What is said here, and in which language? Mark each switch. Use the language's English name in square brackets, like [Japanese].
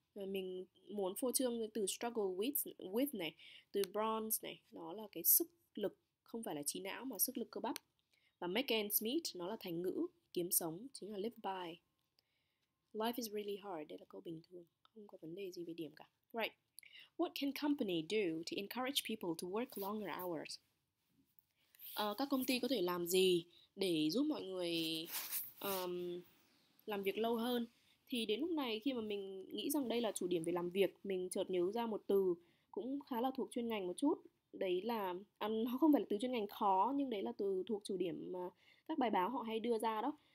[Vietnamese] Mình muốn phô trương từ struggle with này, từ brawn này, đó là cái sức lực, không phải là trí não mà sức lực cơ bắp. Và [English] make ends meet [Vietnamese] nó là thành ngữ kiếm sống, chính là live by. [English] Life is really hard, [Vietnamese] đây là câu bình thường. Không có vấn đề gì về điểm cả. [English] Right. What can company do to encourage people to work longer hours? [Vietnamese] Các công ty có thể làm gì để giúp mọi người làm việc lâu hơn? Thì đến lúc này khi mà mình nghĩ rằng đây là chủ điểm về làm việc, mình chợt nhớ ra một từ cũng khá là thuộc chuyên ngành một chút. đấy là nó không phải là từ chuyên ngành khó nhưng đấy là từ thuộc chủ điểm mà các bài báo họ hay đưa ra đó.